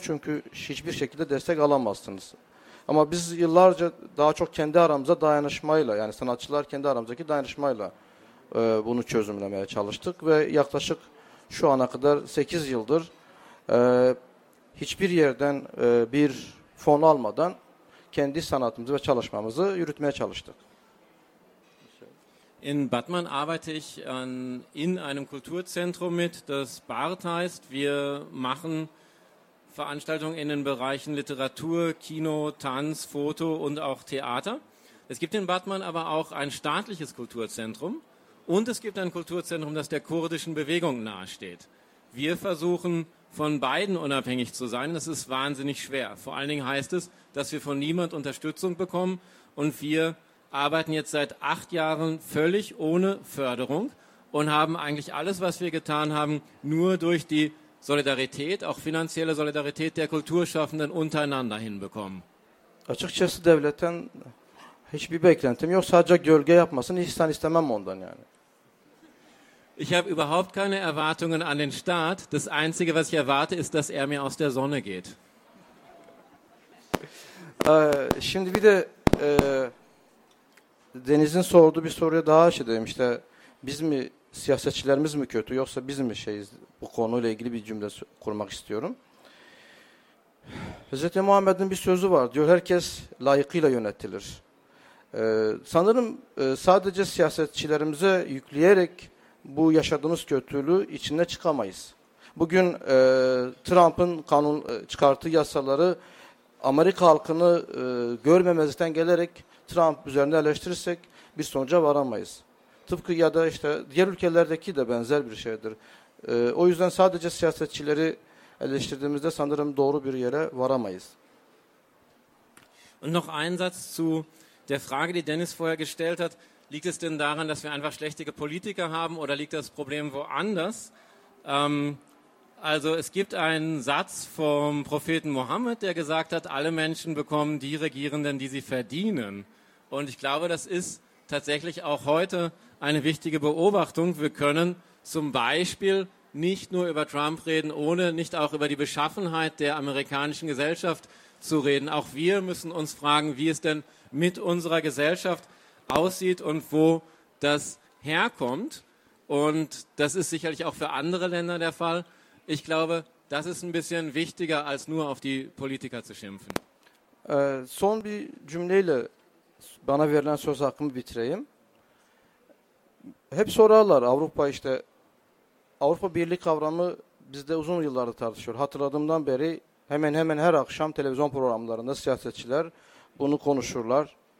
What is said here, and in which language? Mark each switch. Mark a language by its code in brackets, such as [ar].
[tr] Çünkü hiçbir şekilde destek alamazsınız. Ama biz yıllarca daha çok kendi aramıza dayanışmayla, yani sanatçılar kendi aramızdaki dayanışmayla bunu çözümlemeye çalıştık. Ve yaklaşık şu ana kadar 8 yıldır hiçbir yerden bir fon almadan kendi sanatımızı ve çalışmamızı yürütmeye çalıştık. [de] In Batman arbeite ich in einem Kulturzentrum mit, das BART heißt. Wir machen Veranstaltungen in den Bereichen Literatur, Kino, Tanz, Foto und auch Theater. Es gibt in Batman aber auch ein staatliches Kulturzentrum und es gibt ein Kulturzentrum, das der kurdischen Bewegung nahesteht. Wir versuchen, von beiden unabhängig zu sein. Das ist wahnsinnig schwer. Vor allen Dingen heißt es, dass wir von niemand Unterstützung bekommen und wir arbeiten jetzt seit 8 Jahren völlig ohne Förderung und haben eigentlich alles, was wir getan haben, nur durch die Solidarität, auch finanzielle Solidarität der Kulturschaffenden untereinander hinbekommen. [tr] Açıkçası devletten hiçbir beklentim yok. Sadece gölge yapmasını istemem ondan yani. [de] Ich habe überhaupt keine Erwartungen an den Staat. Das Einzige, was ich erwarte, ist, dass er mir aus der Sonne geht. [tr] Şimdi bir de Deniz'in sorduğu bir soruya daha şey demiş de, biz mi siyasetçilerimiz mi kötü yoksa biz mi şeyiz, bu konuyla ilgili bir cümle kurmak istiyorum. Hazreti Muhammed'in bir sözü var, diyor herkes layıkıyla yönetilir. Sanırım sadece siyasetçilerimize yükleyerek bu yaşadığımız kötülüğü içine çıkamayız. Bugün Trump'ın kanun çıkarttığı yasaları Amerika halkını görmemezlikten gelerek Trump üzerinde eleştirirsek bir sonuca varamayız. Tıpkı ya da işte diğer ülkelerdeki de benzer bir şeydir. O yüzden sadece siyasetçileri eleştirdiğimizde sanırım doğru bir yere varamayız. [de] Und noch ein Satz zu der Frage, die Dennis vorher gestellt hat. Liegt es denn daran, dass wir einfach schlechte Politiker haben oder liegt das Problem woanders? Also es gibt einen Satz vom Propheten Mohammed, der gesagt hat, alle Menschen bekommen die Regierenden, die sie verdienen. Und ich glaube, das ist tatsächlich auch heute eine wichtige Beobachtung. Wir können zum Beispiel nicht nur über Trump reden, ohne nicht auch über die Beschaffenheit der amerikanischen Gesellschaft zu reden. Auch wir müssen uns fragen, wie es denn mit unserer Gesellschaft aussieht und wo das herkommt. Und das ist sicherlich auch für andere Länder der Fall. Ich glaube, das ist ein bisschen wichtiger, als nur auf die Politiker zu schimpfen. [tr] Son bir cümleyle bana verilen söz hakkımı bitireyim. Hep sorarlar Avrupa işte, Avrupa Birliği kavramı bizde uzun yıllardır tartışıyor. Hatırladığımdan beri hemen hemen her akşam televizyon programlarında siyasetçiler bunu konuşurlar.